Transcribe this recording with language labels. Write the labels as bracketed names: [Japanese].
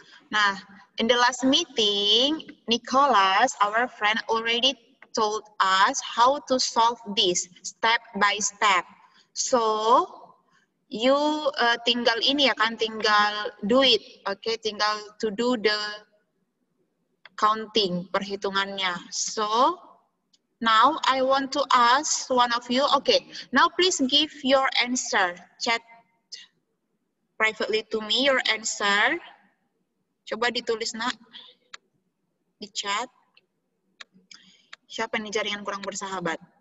[English] Nah, in the last meeting, Nicholas, our friend, already told us how to solve this step by step. [Indonesian] So, you tinggal ini ya kan, tinggal [English] do it, [Indonesian] okay? Tinggal [English] to do the counting, [Indonesian] perhitungannya. [English] So, now I want to ask one of you, okay, now please give your answer. Chat privately to me your answer. [Indonesian] Coba ditulis, nak, di chat. Siapa nih jaringan kurang bersahabat?